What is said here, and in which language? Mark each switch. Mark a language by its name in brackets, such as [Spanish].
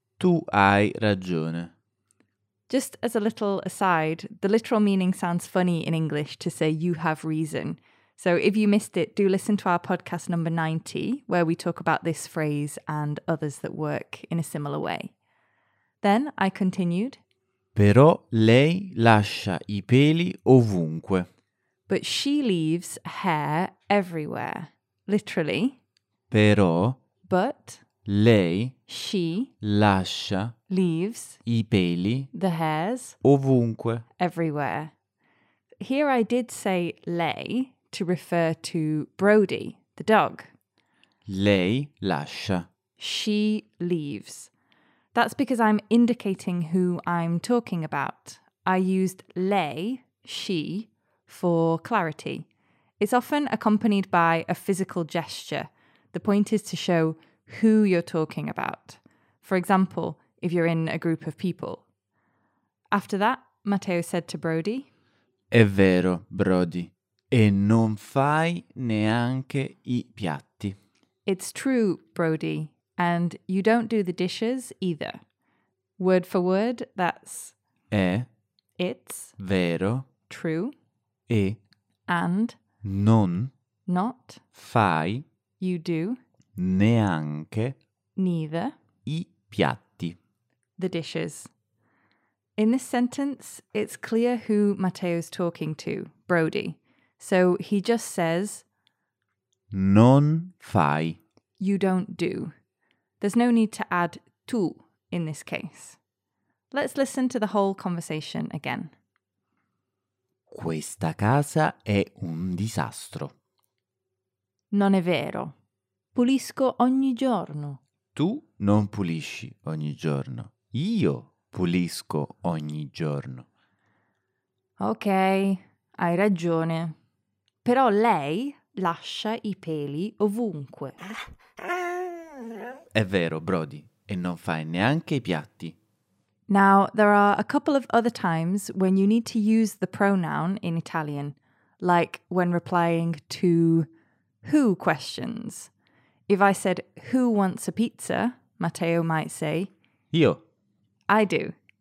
[Italian] Tu hai ragione. [English] Just as a little aside, the literal meaning sounds funny in English to say you have reason. So if you missed it, do listen to our podcast number 90, where we talk about this phrase and others that work in a similar way. Then I continued. [Italian] Però lei lascia i peli ovunque. [English] But she leaves hair everywhere. Literally. [Italian] Però. [English] But. [Italian] Lei, [English] she, [Italian] lascia, [English] leaves, [Italian] i peli, [English] the hairs, [Italian] ovunque, [English] everywhere. Here I did say lei to refer to Brody, the dog. [Italian] Lei lascia. [English] She leaves. That's because I'm indicating who I'm talking about. I used lei, she, for clarity. It's often accompanied by a physical gesture. The point is to show who you're talking about. For example, if you're in a group of people. After that, Matteo said to Brody. [Italian] È vero, Brody. E non fai neanche i piatti. [English] It's true, Brody. And you don't do the dishes either. Word for word, that's. [Italian] È. [English] It's. [Italian] Vero. [English] True. [Italian] E. [English] And. [Italian] Non. [English] Not. [Italian] Fai. [English] You do. [Italian] Neanche. [English] Neither. [Italian] I piatti. [English] The dishes. In this sentence, it's clear who Matteo's talking to, Brody. So he just says. [Italian] Non fai. [English] You don't do. There's no need to add tu in this case. Let's listen to the whole conversation again. [Italian] Questa casa è un disastro. Non è vero. Pulisco ogni giorno. Tu non pulisci ogni giorno. Io pulisco ogni giorno. Ok, hai ragione. Però lei lascia i peli ovunque. È vero, Brody. E non fai neanche i piatti. [English] Now, there are a couple of other times when you need to use the pronoun in Italian, like when replying to who questions. If I said, who wants a pizza, Matteo might say. [Italian] Io. [English] I do.